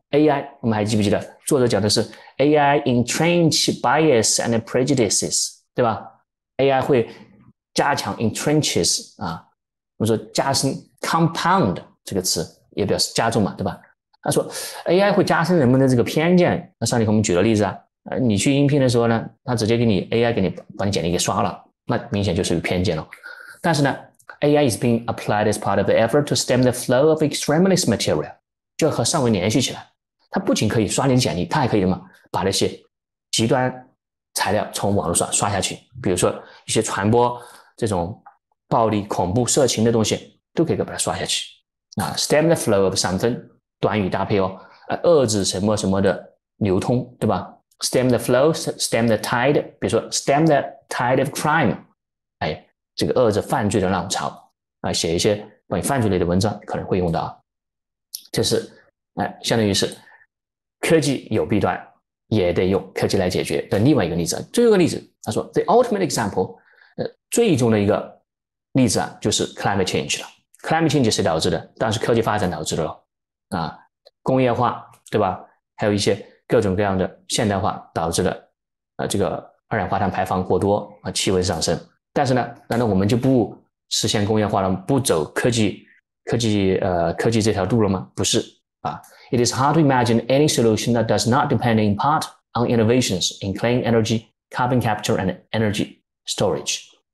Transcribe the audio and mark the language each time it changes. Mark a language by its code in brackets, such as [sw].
[zh] AI，我们还记不记得作者讲的是 [en] AI entrench bias and prejudices， [zh] 对吧？AI 会加强 entrenches 啊，我们说加深 compound 这个词也表示加重嘛，对吧？他说 AI 会加深人们的这个偏见。那上节课我们举了例子啊，你去应聘的时候呢，他直接给你 AI 把你简历给刷了，那明显就是有偏见了。但是呢， [en] AI is being applied as part of the effort to stem the flow of extremist material， [zh] 就和上文联系起来。它不仅可以刷你的简历，它还可以什么把那些极端材料从网络上刷下去，比如说一些传播这种暴力、恐怖、色情的东西，都可以把它刷下去。 [en] stem the flow of something [zh] 短语搭配哦，遏制什么什么的流通，对吧？stem the flow，stem the tide，比如说 [en] stem the tide of crime， [zh] 哎，这个遏制犯罪的浪潮啊，写一些关于犯罪类的文章可能会用到啊，这是相当于是。科技有弊端，也得用科技来解决的另外一个例子。最后一个例子，他说 [en] the ultimate example， [zh] 最终的一个例子啊，就是 climate change 了。 climate change 是导致的，当然是科技发展导致的了。工业化，对吧？还有一些各种各样的现代化导致的，这个二氧化碳排放过多啊，气温上升。但是呢，难道我们就不实现工业化了，不走科技这条路了吗？不是。 [en] It is hard to imagine any solution that does not depend in part on innovations in clean energy, carbon capture and energy storage.